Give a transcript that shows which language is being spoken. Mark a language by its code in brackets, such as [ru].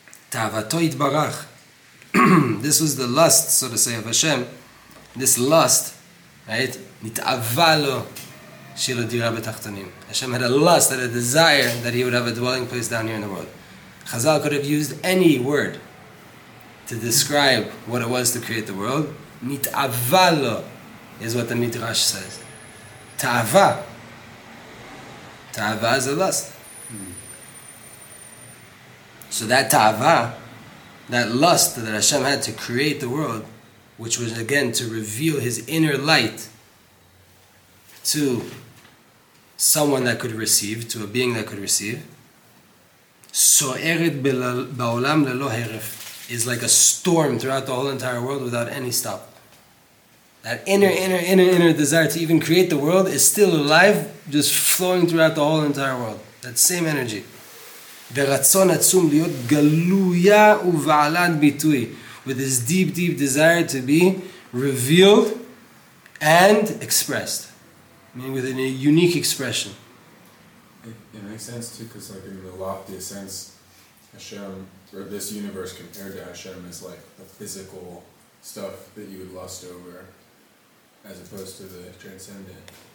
[he] תאוותו יתברך. [en] This was the lust, so to say, of Hashem. This lust, right? [he] נתאווה לו שיהיה לו דירה בתחתונים. [en] Hashem had a lust, had a desire that he would have a dwelling place down here in the world. Chazal could have used any word to describe what it was to create the world. [he] נתאווה לו [en] is what the Midrash says. תאווה. תאווה is a lust. So that ta'ava, that lust that Hashem had to create the world, which was again to reveal His inner light to someone that could receive, to a being that could receive, [he] so'eret ba'olam lelo heref, [en] is like a storm throughout the whole entire world without any stop. That inner desire to even create the world is still alive, just flowing throughout the whole entire world. That same energy. [he] ורצון עצום להיות גלויה ובעלת ביטוי. [en] With this deep, deep desire to be revealed and expressed. I mean, with a unique expression. It makes sense too, because like in the loftiest sense, Hashem, or this universe compared to Hashem, is like the physical stuff that you would lust over, as opposed to the transcendent.